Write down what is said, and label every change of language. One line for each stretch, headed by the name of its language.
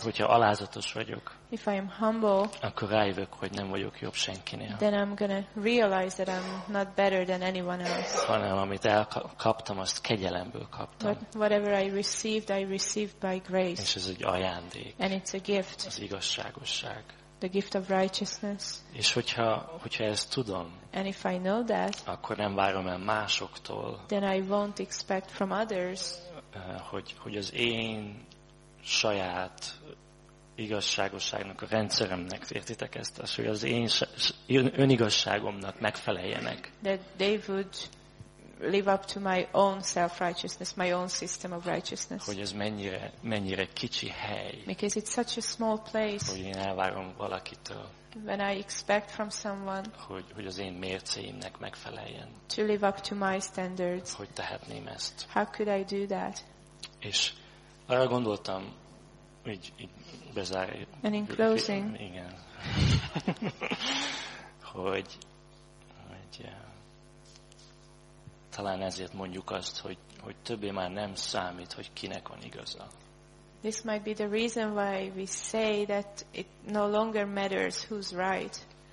Hungarian: Hogyha alázatos vagyok.
English: If I am humble.
Hungarian: Akkor rájövök, hogy nem vagyok jobb senkinél.
English: Then I'm gonna realize that I'm not better than anyone else.
Hungarian: Hanem amit elkaptam, azt kegyelemből kaptam.
English: But whatever I received by grace.
Hungarian: És ez egy ajándék.
English: And it's a gift.
Hungarian: Az igazságosság.
English: The gift of righteousness.
Hungarian: És hogyha ezt tudom,
English: and if I know that,
Hungarian: akkor nem várom el másoktól,
English: then I won't expect from others,
Hungarian: hogy az én saját igazságosságnak, a rendszeremnek, értitek ezt, hogy az én önigazságomnak megfeleljenek.
English: That they would live up to my own self-righteousness, my own system of righteousness.
Hungarian: Hogy ez mennyire kicsi hely.
English: Because it's such a small place.
Hungarian: Hogy én elvárom valakitől.
English: When I expect from someone.
Hungarian: Hogy az én mércéimnek megfeleljen.
English: To live up to my standards.
Hungarian: Hogy tehetném ezt.
English: How could I do that?
Hungarian: És arra gondoltam, hogy így bezárjuk.
English: And in closing.
Hungarian: Igen. hogy hogy talán ezért mondjuk azt, hogy többé már nem számít, hogy kinek van igaza.
English: This might be the reason why we say that it no longer matters who's right.